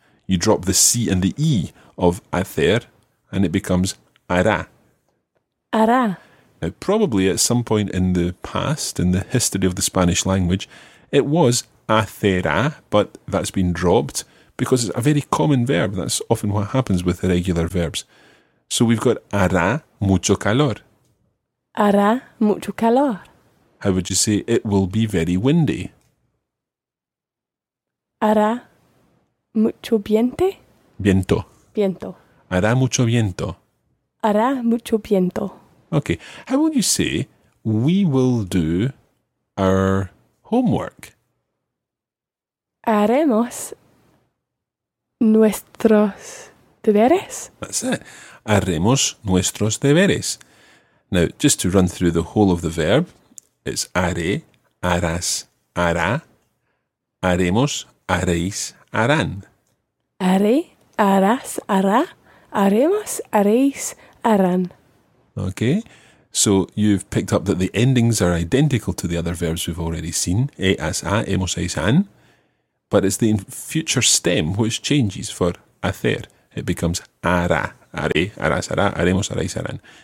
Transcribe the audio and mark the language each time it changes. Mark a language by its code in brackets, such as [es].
[en] You drop the C and the E of hacer and it becomes hará. [es] Hará. [en] Now, probably at some point in the past, in the history of the Spanish language, it was hacerá, but that's been dropped because it's a very common verb. That's often what happens with irregular verbs. So we've got [es] hará mucho calor. Hará mucho calor. [en] How would you say it will be very windy? [es] Hará mucho viento. Viento. Viento. Hará mucho viento. Hará mucho viento. [en] Okay, how will you say we will do our homework? [es] Haremos nuestros deberes. [en] That's it. [es] Haremos nuestros deberes. [en] Now, just to run through the whole of the verb, it's [es] haré, harás, hará, haremos, haréis, harán. Haré, harás, hará, haremos, haréis, harán. [en] Okay, so you've picked up that the endings are identical to the other verbs we've already seen, es, a, hemos, es, han, but it's the future stem which changes for hacer. It becomes [es] hará, haré, harás, hará, haremos, haréis, harán.